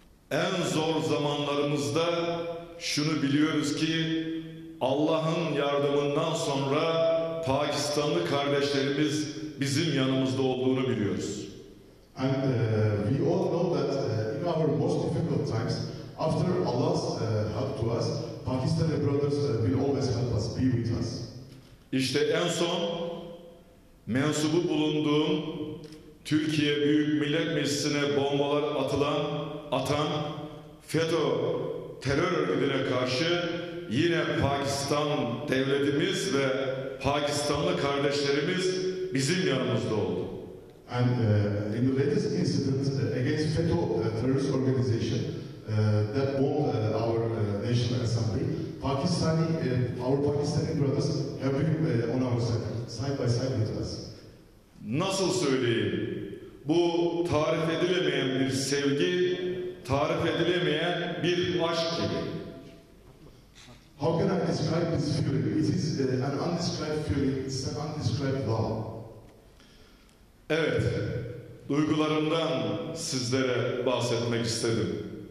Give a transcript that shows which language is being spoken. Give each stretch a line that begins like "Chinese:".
Turkish: En zor zamanlarımızda şunu biliyoruz ki Allah'ın yardımından sonra Pakistanlı kardeşlerimiz bizim yanımızda olduğunu biliyoruz.
English: And we all know that in our most difficult times, after Allah's help to us, Pakistani brothers will always help us, be with us.
Turkish: İşte en son mensubu bulunduğum Türkiye Büyük Millet Meclisi'ne bombalar atan FETÖ terör örgütüne karşı yine Pakistan devletimiz ve Pakistanlı kardeşlerimiz bizim yanımızda oldu.
English: And in the latest incident against FETÖ terrorist organization that bombed our national assembly, Pakistani our Pakistani brothers have been on our side by side with us.
Turkish: Nasıl söyleyeyim? Bu tarif edilemeyen bir sevgi, tarif edilemeyen bir aşk gibi.
English: How can I describe this feeling? It is an undescribed feeling. It's an undescribed love.
Turkish: Evet, duygularımdan sizlere bahsetmek istedim.